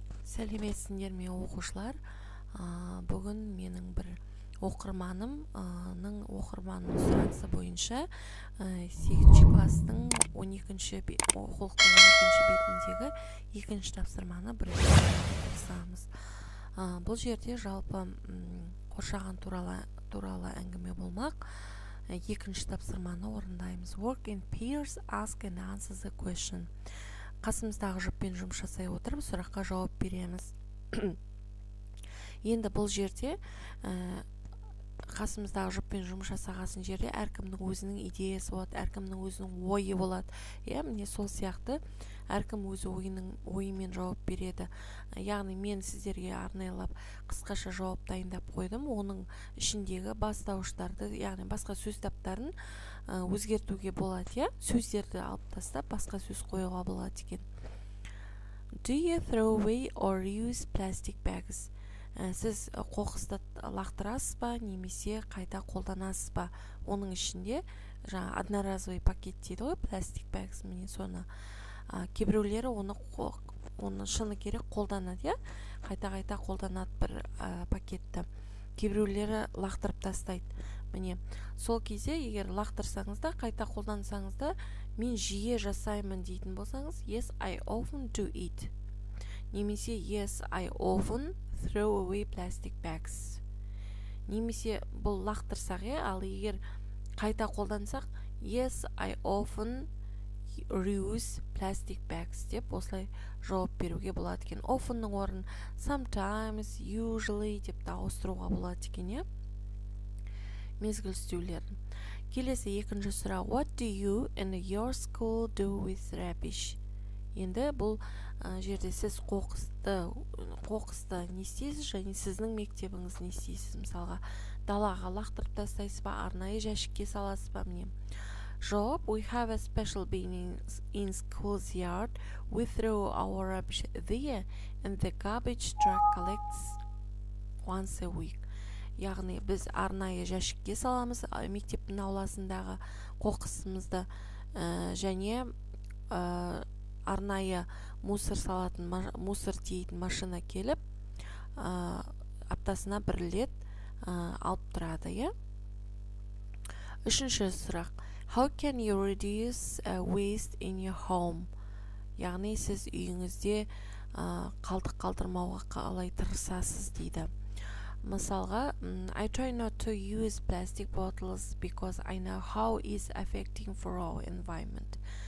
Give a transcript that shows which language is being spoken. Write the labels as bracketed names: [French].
[Kazakh] Сәлеметсіңдер ме оқушылар? Бүгін менің бір оқырманым, оқырманының сұранысы бойынша 8-ші кластың 12-ші оқулықтың 12-ші бетіндегі 2-ші тапсырманы бірігіп бұл жерде жалпы қоршаған туралы әңгіме болмақ. 2-ші тапсырманы орындаймыз. [English] Work in pairs, ask and answer the question. [Kazakh] Қасымыздағы жұппен жұмыс жасай отырып, сұраққа жауап береміз. Енді бұл жерде, қасымыздағы жұппен жұмыс жасағасын жерде, әркімнің өзінің идеясы болады, әркімнің өзінің ойы болады. Міне сол сияқты, әркім өзі ойымен жауап береді. Яғни мен сіздерге арнайлап қысқаша жауап дайындап қойдым. Оның ішіндегі бастауыштарды, яғни басқа сөз таптарын өзгертуге болады, я? Сөздерді алып тастап, басқа сөз қоюға болады екен. [English] Do you throw away or reuse plastic bags? [Kazakh] Сіз қоқысты лақтырасыз ба, немесе қайта қолданасыз ба? Оның ішінде жаңа одноразовый пакет дейді ғой, [English] plastic bags, [Kazakh] міне соны. Кейбіреулері оны шыны керек қолданады, я? Қайта-қайта қолданады бір пакетті. Кейбіреулері лақтырып тастайды. Міне, сол кезде егер лақтырсаңыз да, қайта қолдансаңыз да, мен жиі жасаймын дейтін болсаңыз, [English] yes, I often do it. [Kazakh] Немесе, [English] yes, I often throw away plastic bags. [Kazakh] Немесе, бұл лақтырсақ, е, ал егер қайта қолдансақ, [English] yes, I often reuse plastic bags [Kazakh] деп осылай жауап беруге болады екен. Often-ның орын sometimes, usually деп ауыстыруға болады екен, е? Мезгіл істеулерін. Келесі екінші сұрақ. [English] What do you in your school do with rubbish? [Kazakh] Енді бұл жерде сіз қоқысты не істейсіз, және сіздің мектебіңіз не істейсіз. Мысалға, далаға лақтырып тастайсыз ба, арнайы жәшікке саласыз ба, міне. [English] Жоп, we have a special bin in school's yard. We throw our rubbish there and the garbage truck collects once a week. [Kazakh] Яғни біз арнайы жәшікке саламыз мектептің ауласындағы қоқысымызды, және арнайы мусор салатын, мусор дейтін машина келіп, аптасына бір рет алып тұрады. Үшінші сұрақ. [English] How can you reduce waste in your home? [Kazakh] Яғни сіз үйіңізде қалдық қалдырмауға қалай тырысасыз дейді. Мысалға, [English] I try not to use plastic bottles because I know how it's affecting for our environment.